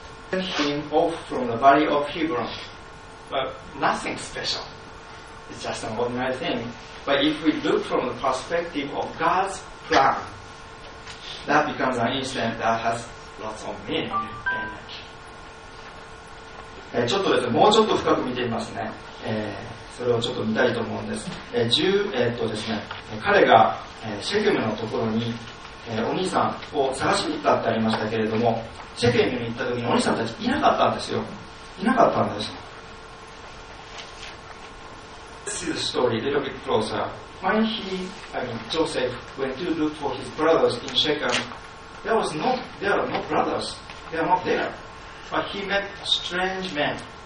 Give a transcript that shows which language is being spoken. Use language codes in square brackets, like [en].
[en] Sent him off from the valley of Hebron, but nothing special. It's just an ordinary thing. But if we look from the perspective of God's plan, that becomes an incident that has lots of meaning. [ja] ちょっとですね、もうちょっと深く見てみますね。それをちょっと見たいと思うんです。ですね、彼がシェケムのところにお兄さんを探しに行ったってありましたけれども、シェケムに行った時にお兄さんたちいなかったんですよ。いなかったんです。 [en] This is the story a little bit closer. When Joseph went to look for his brothers in Shechem, there are no brothers. They are not there. But he met a strange man.